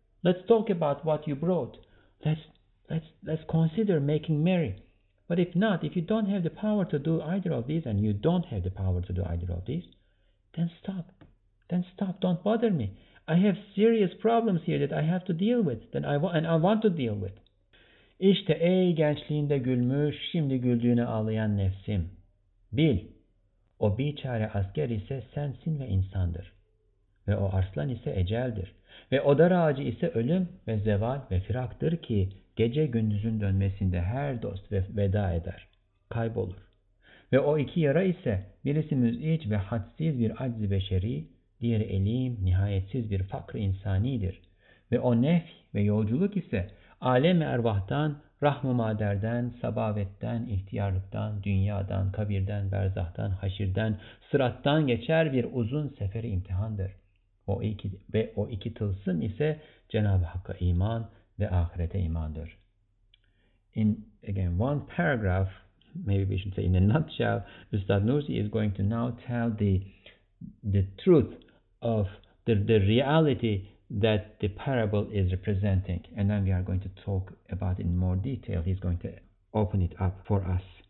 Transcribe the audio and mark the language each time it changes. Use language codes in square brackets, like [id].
[en] Let's talk about what you brought. Let's consider making merry. But if not, if you don't have the power to do either of these, and you don't have the power to do either of these, then stop. Then stop. Don't bother me. I have serious problems here that I have to deal with, and I want to deal with. [tr] İşte ey gençliğinde gülmüş, şimdi güldüğüne ağlayan nefsim. Bil, o biçare asker ise sensin ve insandır. Ve o arslan ise eceldir. Ve o dar ağacı ise ölüm ve zeval ve firaktır ki gece gündüzün dönmesinde her dost veda eder, kaybolur. Ve o iki yara ise birisi müzic ve hadsiz bir aczi beşeri, diğeri elim, nihayetsiz bir fakr insanidir. Ve o nef ve yolculuk ise alem-i ervahtan, rahm-ı maderden, sabavetten, ihtiyarlıktan, dünyadan, kabirden, berzahtan, haşirden, sırattan geçer bir uzun seferi imtihandır. O iki tılsım ise Cenab-ı Hakk'a iman ve ahirete imandır. [en] In again one paragraph, maybe we should say in a nutshell, Üstad Nursi is going to now tell the truth of the reality that the parable is representing. And then we are going to talk about it in more detail. He's going to open it up for us.